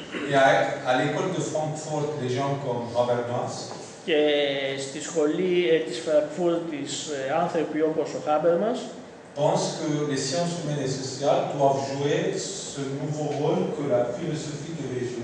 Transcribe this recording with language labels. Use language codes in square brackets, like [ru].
[fr] Et à l'école de Francfort, des gens comme Robert Mass. [el] Και στη σχολή της Φραγκφούρτης άνθρωποι όπως ο Habermas. [fr] Pense que les sciences humaines et sociales doivent jouer ce nouveau rôle que la philosophie devait jouer.